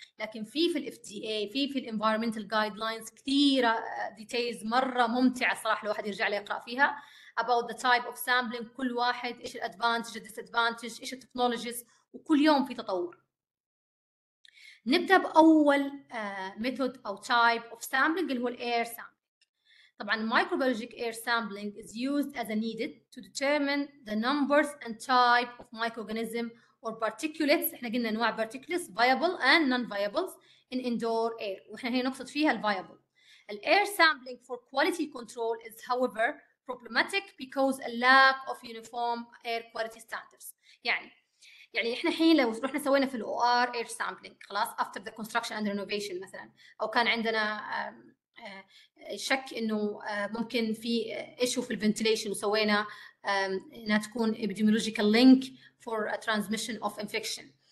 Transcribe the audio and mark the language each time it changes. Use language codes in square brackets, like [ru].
[ar] لكن في الاف دي اي في الانفايرمنتال جايد لاينز كثيره ديتيلز مره ممتعه صراحه لو واحد يرجع لها يقرا فيها اباوت ذا تايب اوف سامبلينج، كل واحد ايش الادفانتج ديس ادفانتج ايش التكنولوجيز، وكل يوم في تطور. نبدا باول ميثود او تايب اوف سامبلينج اللي هو الاير سامبلينج. [en] طبعاً microbiologic air sampling is used as needed to determine the numbers and type of microorganism or particulates. إحنا قلنا أنواع particulates viable and non-viables in indoor air. [ar] وإحنا هنا نقصد فيها ال viable. [en] The air sampling for quality control is, however, problematic because a lack of uniform air quality standards. [ar] يعني إحنا حين لو رحنا سوينا في OR air sampling خلاص after the construction and renovation مثلاً أو كان عندنا شك انه ممكن في ايشو في الفنتيليشن وسوينا انها تكون epidemiological link for a transmission of infection.